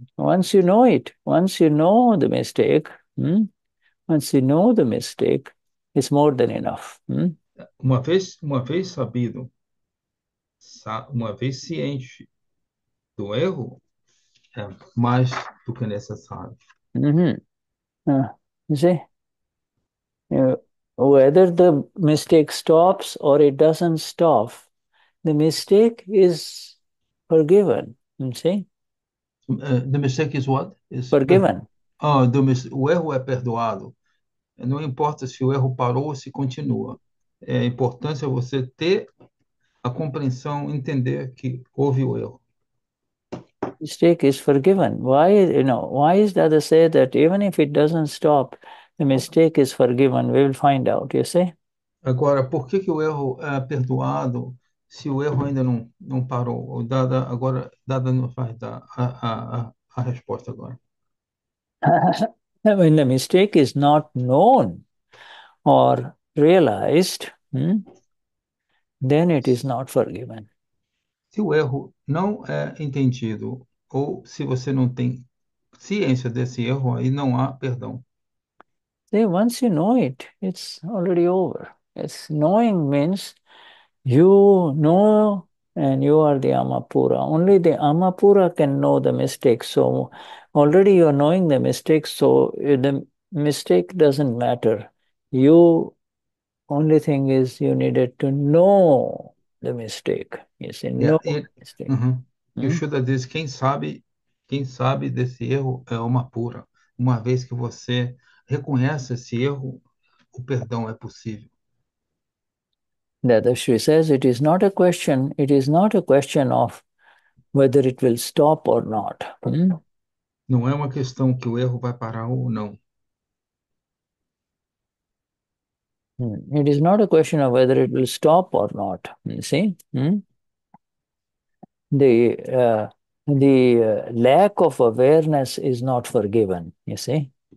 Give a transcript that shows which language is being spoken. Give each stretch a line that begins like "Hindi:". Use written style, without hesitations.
English: Once you know the mistake, Once you know the mistake, it's more than enough.
Portuguese: Uma vez sabido, uma vez ciente do erro, é mais do que necessário.
English: You see? Whether the mistake stops or it doesn't stop, the mistake is forgiven. You see? The mistake is what? Is Forgiven.
Portuguese: o erro é perdoado. Não importa se o erro parou ou se continua. É, a importância é você ter a compreensão, entender que houve o erro.
English: Mistake is forgiven. Why is Dada say that even if it doesn't stop, the mistake is forgiven? We will find out, you see?
Portuguese: Agora, por que que o erro é perdoado se o erro ainda não parou? O Dada, agora, Dada não vai dar a resposta agora.
English: When the mistake is not known or realized, then it is not forgiven.
Portuguese: Se o erro não é entendido ou se você não tem ciência desse erro, aí não há perdão.
English: See, once you know it, it's already over. It's knowing means you know and you are the Amapura. Only the Amapura can know the mistake. So already you're knowing the mistake, so the mistake doesn't matter. You only thing is you needed to know the mistake. You say Yeah, no mistake.
Portuguese: Yoshida diz, quem sabe desse erro é uma pura. Uma vez que você reconhece esse erro, o perdão é possível.
English: That the Shri says it is not a question, it is not a question of whether it will stop or not.
Portuguese: Não é uma questão que o erro vai parar ou não.
English: It is not a question of whether it will stop or not. You see? The lack of awareness is not forgiven, you see?